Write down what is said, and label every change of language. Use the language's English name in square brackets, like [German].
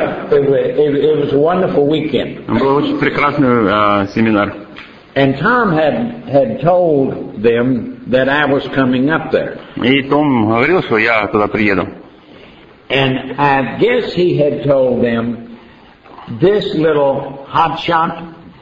[English] It was a wonderful weekend. [Russian] Был очень прекрасный семинар. [English] And Tom had told them that I was coming up there. [Russian] И Том говорил, что я туда приеду. [English] And I guess he had told them this little hotshot.